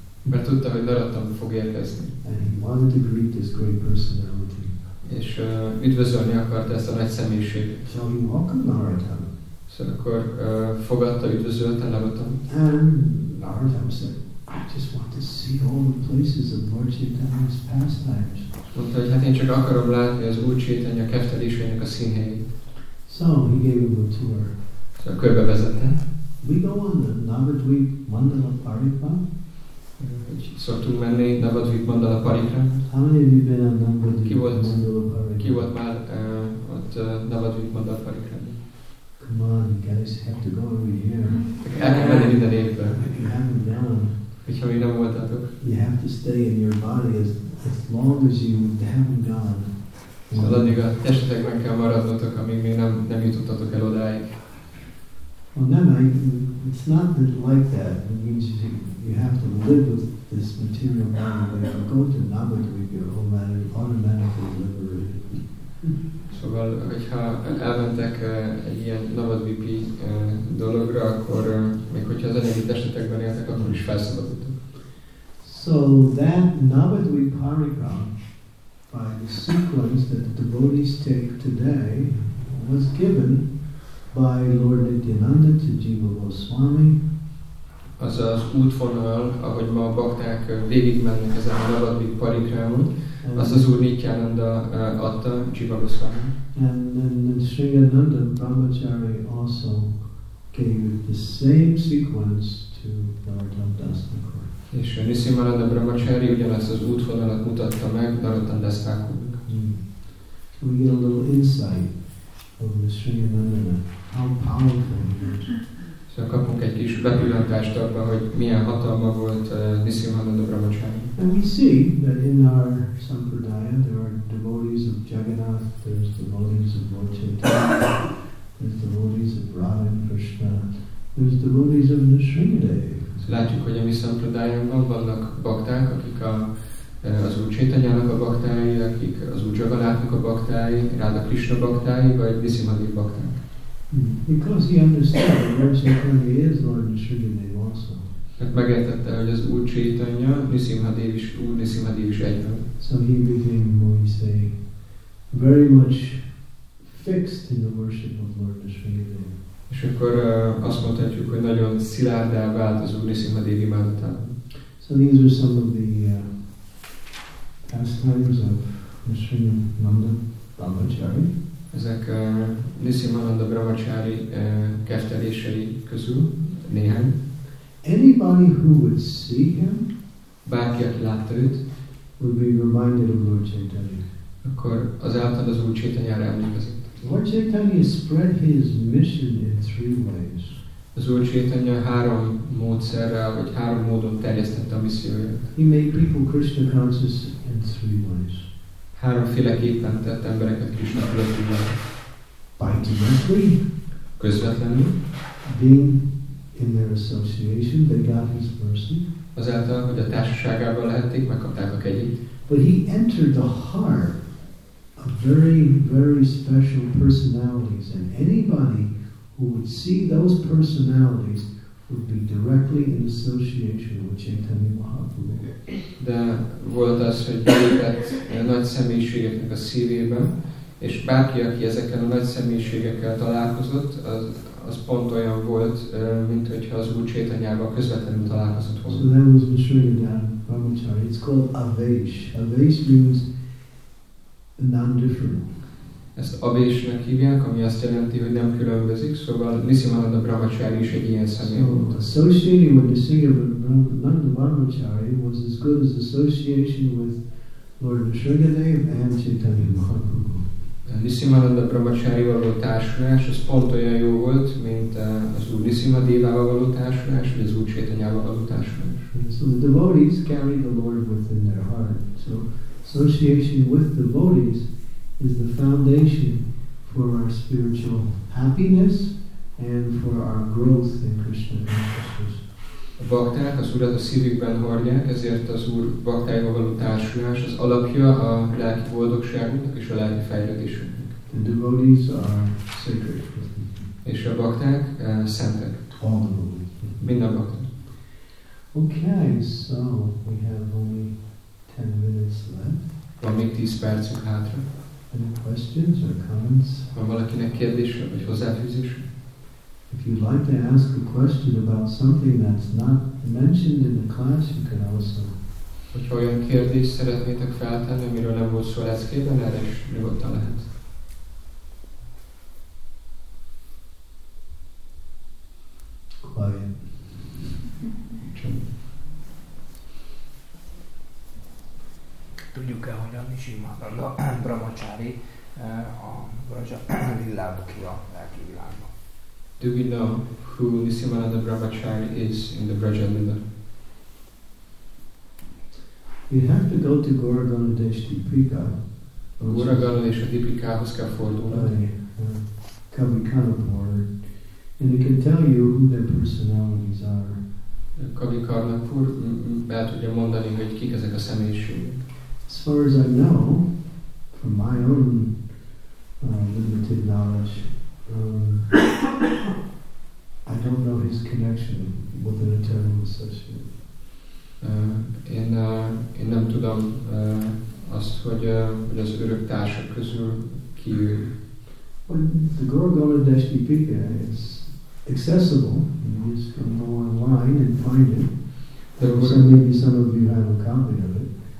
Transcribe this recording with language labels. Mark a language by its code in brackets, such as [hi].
[hu] Mert tudta, hogy Narottam fog érkezni. [en] And he wanted to greet this great personality. [hu] És üdvözölni akarta ezt a nagy személyiséget. [en] So he welcomed Narottam. [hu] Szóval akkor fogadta, üdvözölte Narottam. [en] And Narottam said, I just want to see all the places of Lord Chaitanya's pastimes. [hu] Mondta, hogy hát én csak akarom látni az Úr Chaitanya keftelésének a színhelyét. [en] So he gave him a tour. [hu] A körbe vezette. [en] We go on the Navadvip Mandala Parikra. [hu] Szoktunk menni Navadvip Mandala Parikra. [en] How many of you been on Navadvip Mandala Parikra? [hu] Ki volt már ott Navadvip Mandala Parikra? [en] Come on, you guys have to go over here. [hu] El kell menni minden évben. [en] You haven't done. [hu] Hogyha még nem voltatok. [en] You have to stay in your body as long as you haven't gone. [hu] Szóval addig a testetekben kell maradnotok, amíg még nem jutottatok el odáig. [en] Well, then it's not that like that. It means you have to live with this material body. But go to Navadvipa, your whole matter automatically liberated. [hu] Szóval, hogyha elmentek egy ilyen Navadvipi dologra, akkor még hogyha az anyagi testetekben éltek, akkor is felszabadultak. [en] So that Navadvipa Parikra, by the sequence that the devotees take today, was given by Lord Nityananda to Jiva Goswami. [hu] Az az útvonal, ahogy ma a bakták végigmennek ezen a Navadvipa Parikrámon, azt az Úr Nityananda adta Jiva Goswami. [en] And then Sringananda Brahmachari also gave the same sequence to Narottam Das Thakur. [hu] És Nisimananda Brahmachari ugyanezt az útvonalat mutatta meg Narottam Das Thakurnak. [en] We get a little insight of the Sringananda. How powerful! [hu] So kapunk egy kis bepillantást abban, hogy milyen hatalma volt Nisimananda Brahmachari. [en] And we see that in our sampradaya there are devotees of Jagannath, there's devotees of Lord Chaitanya, there's devotees of Radha and Krishna, there's devotees of Nisringadeva. [hu] Látjuk, hogy a mi sampradayánkban vannak bakták, akik a az Úr Csétanyának a baktái, akik az Úr Jagannáthnak a baktái, Ráda Krisna baktái, vagy Viszimadév bakták. [en] Because he understood the Lord Chaitanya is Lord Nisimhadev also. [hu] Tehát megértette, hogy az Úr Csétanya, Nisimhadev is, Úr Nisimhadev is egy. [en] So he became, what we say, very much fixed in the worship of Lord Nisimhadev. [hu] És akkor azt mondhatjuk, hogy nagyon szilárdá vált az Úr Nisimhadev imádatában. [en] So these are some of the pastimes of Nisimhananda Brahmachari. [hu] Ezek Nisimhananda Brahmachari kertelései közül néhány. [en] Anybody who would see him, [hu] bárki, aki látta őt, [en] would be reminded of Lord Chaitanya. [hu] Akkor azáltal az Úr Chaitanyára emlékezett. [en] Lord Chaitanya spread his mission in three ways. [hu] Az Úr Chaitanya három módszerrel, vagy három módon terjesztette a misszióját. [en] He made people Krishna conscious in three ways. [hu] Háromféleképpen tett embereket Krishna tudatúvá. [en] By directly. [hu] Közvetlenül. [en] Being in their association, they got his mercy. [hu] Azáltal, hogy a társaságában lehették, megkapták a kegyét. [en] But he entered the heart of very, very special personalities, and anybody who would see those personalities would be directly in association with Chaitanya Mahaprabhu. [hu] De volt az, hogy belépett a nagy személyiségeknek a szívében, és bárki, aki ezeken a nagy személyiségekkel találkozott, az pont olyan volt, mint hogyha az Úr Chaitanyával közvetlenül találkozott volna. [en] So that was Mishrinyan Brahmachari. It's called Avesh. Avesh means non-different. [hu] Ezt Avesh-nek hívják, ami azt jelenti, hogy nem különbözik, szóval Nisimhananda Brahmachari is egy ilyen személy volt. [en] Associating with Nisimhananda Brahmachari was as good as association with Lord Nisrinyadev and Chaitanya Mahaprabhu. [hu] Nisimhananda Brahmacharival való társulás, az pont olyan jó volt, mint az Úr Nisimhadevával való társulás, vagy az Úr Chaitanyával való társulás. [en] So the devotees carry the Lord within their heart. So association with devotees is the foundation for our spiritual happiness and for our growth in Krishna consciousness. [hu] A bakták az Urat a szívükben hordják, ezért az Úr baktájával való társulás az alapja a lelki boldogságunknak és a lelki fejlődésünknek. [en] The devotees are sacred. [hu] És a bakták szentek. [en] All the devotees. [hu] Minden bakták. [en] Okay, so we have only 10 minutes left. [hu] Van még 10 percünk hátra. [en] Any questions or comments? [hu] Van valakinek kérdése vagy hozzáfűzése? [en] If you'd like to ask a question about something that's not mentioned in the class, you can also. [hu] Hogyha olyan kérdést szeretnétek feltenni, amiről nem volt szó leckében, erre is nyugodtan lehet. [en] Quiet. [hu] Tudjuk-e, hogy a Nisimhananda Brahmachari a Vrajavilába ki a lelki világba? [en] Do we know who Nisimhananda Brahmachari is in the Braja Lila? You have to go to Gaura Ganadesh Deepika. Gaura Ganadesh Deepika has come forward. Kavikarnapur. And it can tell you who their personalities are. [hu] Kavikarnapur, be tudja mondani, hogy kik ezek a személyiségek. [en] As far as I know, from my own limited knowledge, I don't know his connection with an eternal associate. [hu] Én nem tudom azt, hogy az örök társak közül ki ő. [en] Well, the Gaura Ganadesh Deepika is accessible. You just can go online and find it. Maybe some of you have a copy of it.